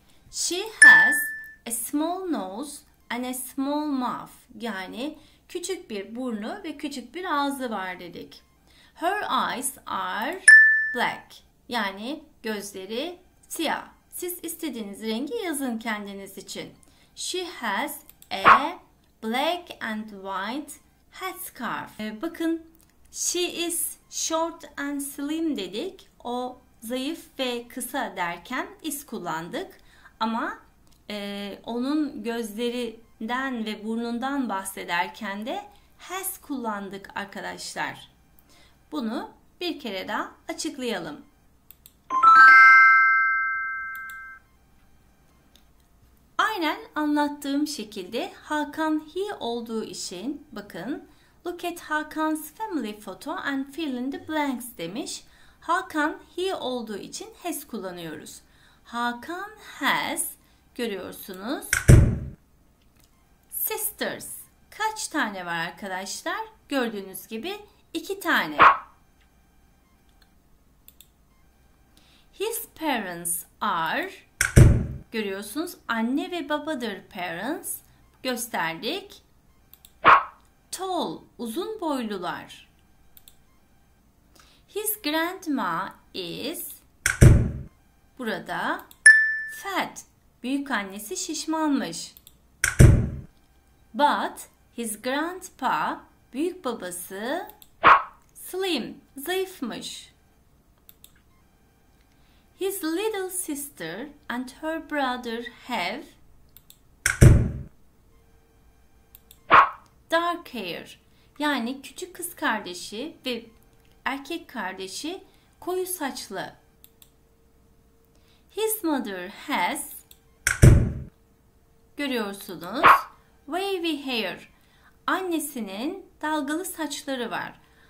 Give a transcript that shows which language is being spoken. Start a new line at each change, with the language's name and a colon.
English: She has a small nose and a small mouth.
Turkish: Yani küçük bir burnu ve küçük bir ağzı var dedik.
English: Her eyes are black.
Turkish: Yani gözleri siyah. Siz istediğiniz rengi yazın kendiniz için.
English: She has a black and white headscarf. Bakın, she is short and slim dedik.
Turkish: O zayıf ve kısa derken is kullandık. Ama onun gözlerinden ve burnundan bahsederken de has kullandık arkadaşlar. Bunu bir kere daha açıklayalım. Aynen anlattığım şekilde Hakan he olduğu için bakın.
English: Look at Hakan's family photo and fill in the blanks demiş.
Turkish: Hakan he olduğu için has kullanıyoruz. Hakan has, görüyorsunuz, sisters. Kaç tane var arkadaşlar? Gördüğünüz gibi 2 tane.
English: His parents are,
Turkish: görüyorsunuz, anne ve babadır parents. Gösterdik. Tall, uzun boylular.
English: His grandma is,
Turkish: burada fat, büyük annesi şişmanmış.
English: But his grandpa,
Turkish: büyük babası slim, zayıfmış.
English: His little sister and her brother have dark hair.
Turkish: Yani küçük kız kardeşi ve erkek kardeşi koyu saçlı.
English: His mother has, görüyorsunuz, wavy hair.
Turkish: Annesinin dalgalı saçları var.